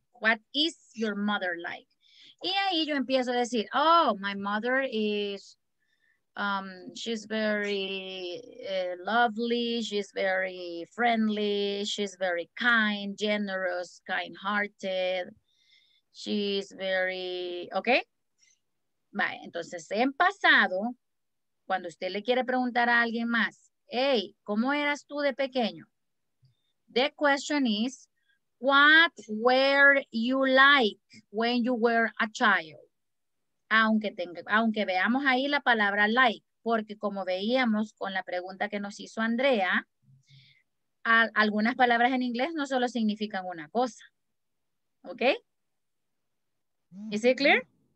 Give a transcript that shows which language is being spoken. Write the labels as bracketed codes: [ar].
[en] What is your mother like? Y ahí yo empiezo a decir, oh, my mother is, she's very lovely, she's very friendly, she's very kind, generous, kind-hearted, she's very, okay? [es] Vale, entonces en pasado, cuando usted le quiere preguntar a alguien más, hey, ¿cómo eras tú de pequeño? [en] The question is, what were you like when you were a child? [es] Aunque veamos ahí la palabra like, porque como veíamos con la pregunta que nos hizo Andrea, algunas palabras en inglés no solo significan una cosa. [en] ¿Ok? ¿Is it clear?